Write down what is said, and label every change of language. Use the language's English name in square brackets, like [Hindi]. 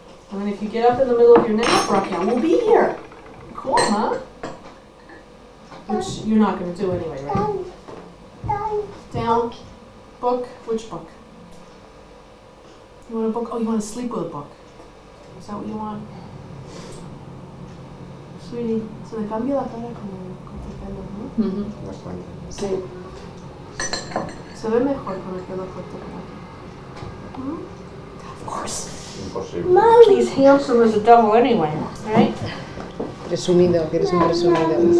[English] And then if you get up in the middle of your nap, Rakan will be here. Cool, huh? Which you're not gonna do anyway, right? Daddy. Found book. Which book? You want a book? Oh, you want to sleep with a book. Is that what you want? [Spanish] Sweetie, se me cambia la cara como con tu pelo, ¿no? Mm-hmm. Sí. Se ve mejor con el pelo corto. ¿Mm? [English] Of course. Impossible. He's handsome as a devil anyway, right? [Spanish] Presumido, que eres un presumido.